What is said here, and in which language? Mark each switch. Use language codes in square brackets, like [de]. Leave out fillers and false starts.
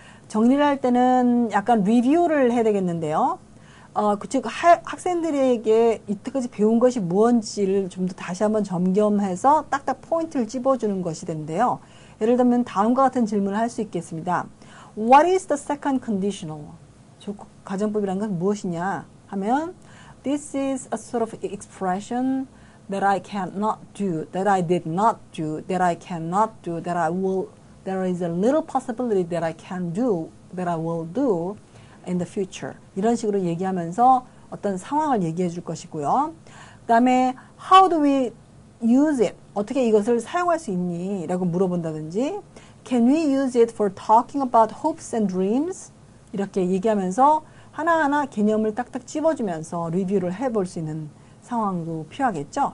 [ko] 정리를 할 때는 약간 리뷰를 해야 되겠는데요. 즉 학생들에게 이때까지 배운 것이 무엇인지를 좀 더 다시 한번 점검해서 딱딱 포인트를 집어주는 것이 되는데요. 예를 들면 다음과 같은 질문을 할 수 있겠습니다. [en] What is the second conditional? [ko] 가정법이란 건 무엇이냐 하면 [en] This is a sort of expression that I cannot do, that I did not do, that I cannot do, that I will, there is a little possibility that I can do, that I will do in the future. [ko] 이런 식으로 얘기하면서 어떤 상황을 얘기해 줄 것이고요. 그 다음에 [en] How do we use it? [ko] 어떻게 이것을 사용할 수 있니? 라고 물어본다든지 [en] Can we use it for talking about hopes and dreams? [ko] 이렇게 얘기하면서 하나하나 개념을 딱딱 집어주면서 리뷰를 해볼 수 있는 상황도 필요하겠죠.